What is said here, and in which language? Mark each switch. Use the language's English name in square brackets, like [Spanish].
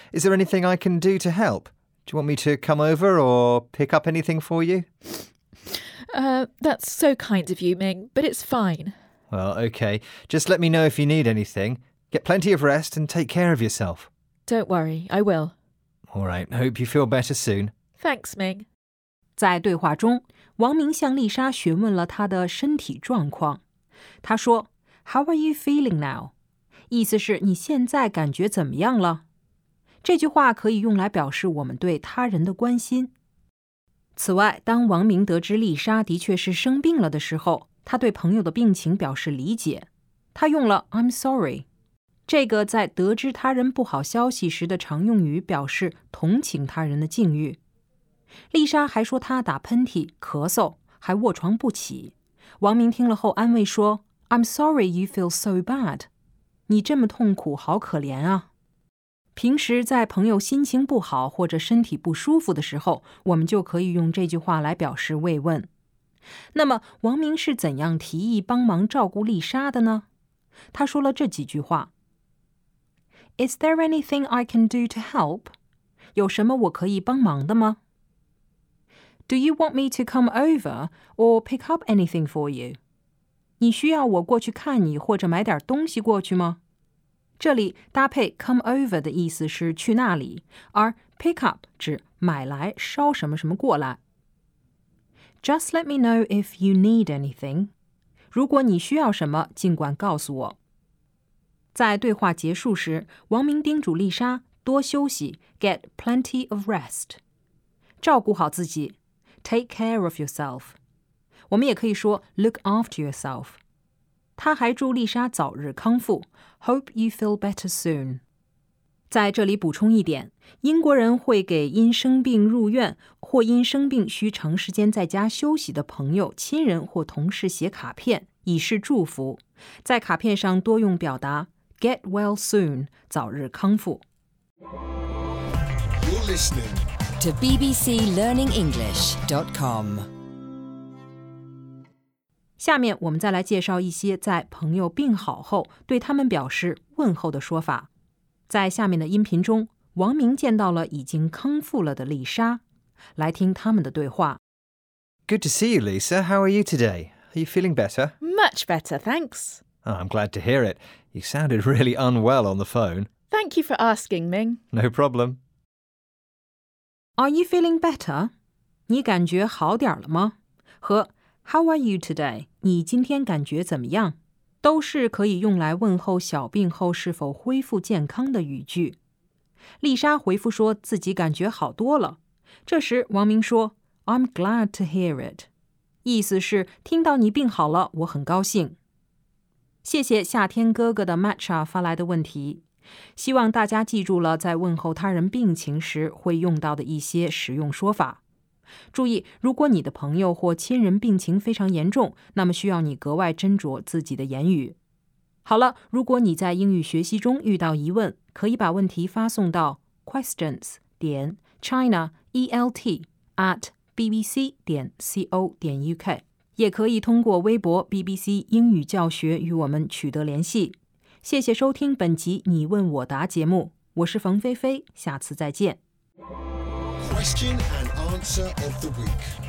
[English] Is there anything I can do to help? Do you want me to come over or pick up anything for you? That's so kind of you, Ming, but it's fine. Well, okay. Just let me know if you need anything. Get plenty of rest and take care of yourself. Don't worry, I will. All right, hope you feel better soon. Thanks, Ming. [Chinese] 在对话中，王明向丽莎询问了她的身体状况。他说 [English] How are you feeling now? [Chinese] 意思是你现在感觉怎么样了？这句话可以用来表示我们对他人的关心。此外，当王明得知丽莎的确是生病了的时候，他对朋友的病情表示理解。他用了 [English] I'm sorry. [Chinese] 这个在得知他人不好消息时的常用语表示同情他人的境遇。丽莎还说她打喷嚏、咳嗽，还卧床不起。王明听了后安慰说 [English] I'm sorry you feel so bad. [Chinese] 你这么痛苦好可怜啊。平时在朋友心情不好或者身体不舒服的时候，我们就可以用这句话来表示慰问。那么王明是怎样提议帮忙照顾丽莎的呢？他说了这几句话。 [English] Is there anything I can do to help? [Chinese] 有什么我可以帮忙的吗? [English] Do you want me to come over or pick up anything for you? [Chinese] 你需要我过去看你或者买点东西过去吗? 这里搭配 [English] come over [Chinese] 的意思是去那里,而 [English] pick up [Chinese] 指买来捎什么什么过来。 [English] Just let me know if you need anything. [Chinese] 如果你需要什么,尽管告诉我。在对话结束时，王明叮嘱丽莎多休息 ， [English] get plenty of rest， [Chinese] 照顾好自己 ， [English] take care of yourself。 [Chinese] 我们也可以说 [English] look after yourself。 [Chinese] 他还祝丽莎早日康复 ， [English] hope you feel better soon。 [Chinese] 在这里补充一点，英国人会给因生病入院或因生病需长时间在家休息的朋友、亲人或同事写卡片，以示祝福。在卡片上多用表达。 [English] Get well soon, [Chinese] 早日康复。 [English] You're listening to bbclearningenglish.com. [Chinese] 下面我们再来介绍一些在朋友病好后对他们表示问候的说法。在下面的音频中，王明见到了已经康复了的丽莎，来听他们的对话。 [English] Good to see you, Lisa. How are you today? Are you feeling better? Much better, thanks. Oh, I'm glad to hear it. You sounded really unwell on the phone. Thank you for asking, Ming. No problem. Are you feeling better? [Chinese] 你感觉好点了吗？和 [English] How are you today? [Chinese] 你今天感觉怎么样？都是可以用来问候小病后是否恢复健康的语句。丽莎回复说自己感觉好多了。这时王明说 [English] I'm glad to hear it. [Chinese] 意思是听到你病好了，我很高兴。谢谢夏天哥哥的 Matcha 发来的问题。希望大家记住了在问候他人病情时会用到的一些实用说法。注意，如果你的朋友或亲人病情非常严重，那么需要你格外斟酌自己的言语。好了，如果你在英语学习中遇到疑问，可以把问题发送到 questions.china@bbc.co.uk， 也可以通过微博 BBC 英语教学与我们取得联系。谢谢收听本集你问我答节目，我是冯飞飞，下次再见。 [English] Question and answer of the week